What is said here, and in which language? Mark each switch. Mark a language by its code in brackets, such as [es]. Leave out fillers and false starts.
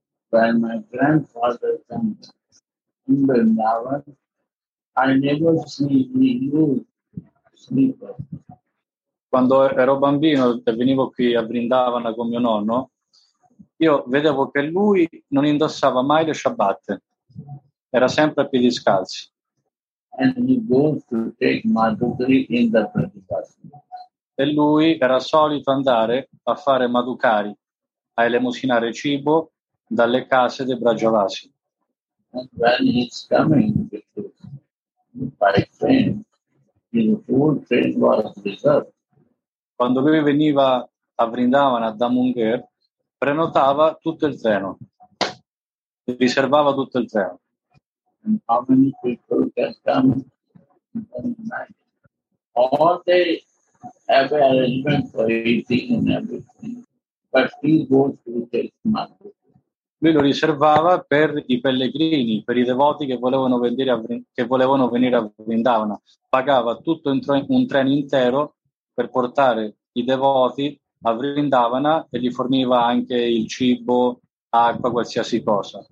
[en] when my grandfather comes in Vrindavan, I never see the sleeper. [it] Quando ero bambino e venivo qui a Vrindavan con mio nonno, io vedevo che lui non indossava mai le sciabatte, era sempre a piedi scalzi. [en] And he goes to take Madhukari in the Pratipasana. [it] E lui era solito andare a fare Madhukari, a elemosinare cibo dalle case dei Brajavasi. [en] And when he's coming, because by train, his whole train was reserved. [it] Quando lui veniva a Vrindavan, a Damungar, prenotava tutto il treno, riservava tutto il treno. [en] All the every arrangement for eating and everything, but he goes to his mother. [it] Lui lo riservava per i pellegrini, per i devoti che volevano venire a Vrindavana. Pagava tutto un treno intero per portare i devoti a Vrindavana e gli forniva anche il cibo, acqua, qualsiasi cosa.